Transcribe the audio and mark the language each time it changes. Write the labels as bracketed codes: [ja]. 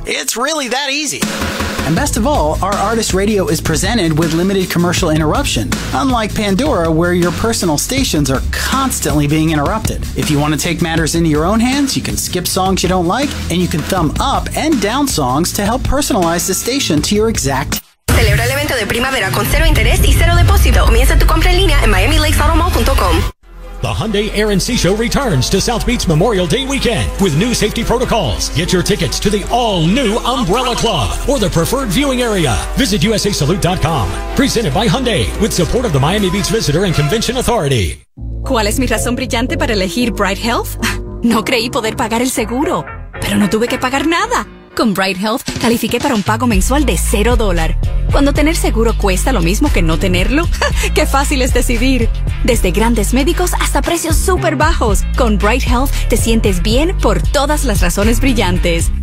[en] It's really that easy. And best of all, our Artist Radio is presented with limited commercial interruption, unlike Pandora, where your personal stations are constantly being interrupted. If you want to take matters into your own hands, you can skip songs you don't like, and you can thumb up and down songs to help personalize the station to your exact... [es] Celebra el evento de primavera con cero interés y cero depósito. Comienza tu compra en línea en MiamiLakesAutoMall.com. [en] The Hyundai Air and Sea Show returns to South Beach Memorial Day weekend with new safety protocols. Get your tickets to the all-new Umbrella Club or the preferred viewing area. Visit usasalute.com. Presented by Hyundai with support of the Miami Beach Visitor and Convention Authority. [es] ¿Cuál es mi razón brillante para elegir Bright Health? No creí poder pagar el seguro, pero no tuve que pagar nada. Con Bright Health califiqué para un pago mensual de $0. Cuando tener seguro cuesta lo mismo que no tenerlo, ¡qué fácil es decidir! Desde grandes médicos hasta precios súper bajos. Con Bright Health te sientes bien por todas las razones brillantes.